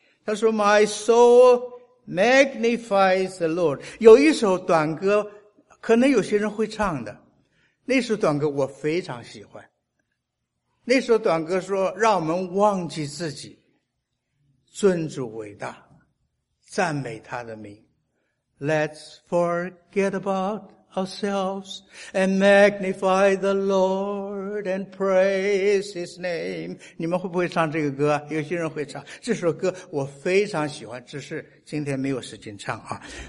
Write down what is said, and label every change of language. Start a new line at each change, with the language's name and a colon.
Chinese: 他说
English: My soul magnifies the Lord。
Chinese: 有一首短歌可能有些人会唱的，那首短歌我非常喜欢。那首短歌说，让我们忘记自己，尊主伟大，赞美他的名。
English: Let's forget about ourselves and magnify the Lord and praise his name。
Chinese: 你们会不会唱这个歌？有些人会唱这首歌，我非常喜欢，只是今天没有时间唱啊。